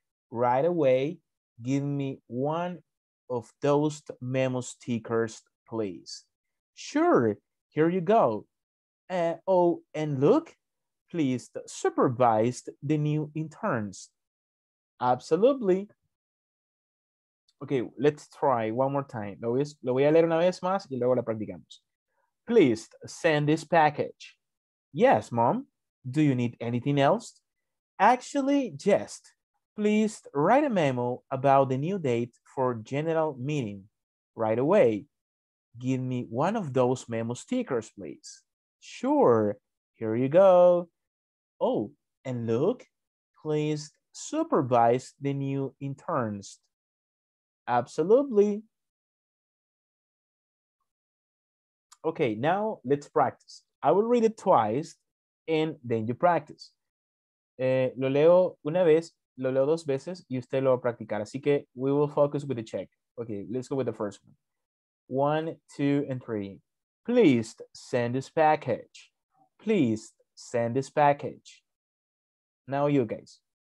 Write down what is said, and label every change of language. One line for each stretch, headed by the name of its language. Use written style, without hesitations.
English: Right away, give me one of those memo stickers, please. Sure, here you go. And look, please supervise the new interns. Absolutely. Okay, let's try one more time.
Spanish: Lo voy a leer una vez más y luego la practicamos.
English: Please send this package. Yes, mom. Do you need anything else? Actually, yes. Please write a memo about the new date for general meeting right away. Give me one of those memo stickers, please. Sure, here you go. Oh, and look, please supervise the new interns. Absolutely. Okay, now let's practice. I will read it twice and then you practice.
Spanish: Lo leo una vez, lo leo dos veces y usted lo va a practicar. Así que
English: we will focus with the check. Okay, let's go with the first one. 1, 2, and 3. Please send this package. Please send this package. Now you guys.